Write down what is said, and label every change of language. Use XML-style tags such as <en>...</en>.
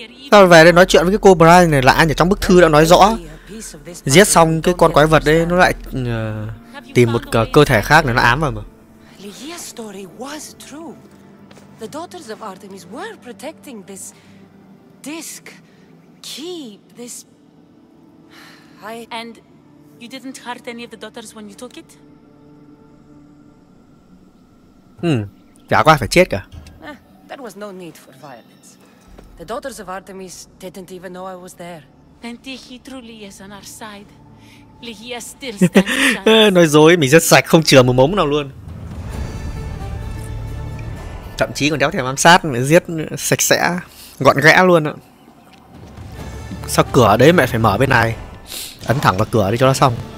<vi>Sao về đây nói chuyện với cái cô Brian này lạ nhỉ? Trong bức thư đã nói rõ giết xong cái con quái vật đấy, nó lại tìm một cơ thể khác để nó ám vào mà.</vi> <en>Story was true. The daughters of Artemis were protecting this disc, key, this. I. And you didn't hurt any of the daughters when you took it?</en> <vi>Chả có ai phải chết cả.</vi> <en>There was no need for violence. The daughters of Artemis didn't even know I was there. Then Tichy truly is on our side. Lihia still stands.</en> <vi>Nói dối, mình rất sạch, không chừa một mống nào luôn. Thậm chí còn đéo thèm ám sát, mẹ giết sạch sẽ, gọn gẽ luôn ạ. Sao cửa đấy mẹ phải mở bên này? Ấn thẳng vào cửa đi cho nó xong.</vi>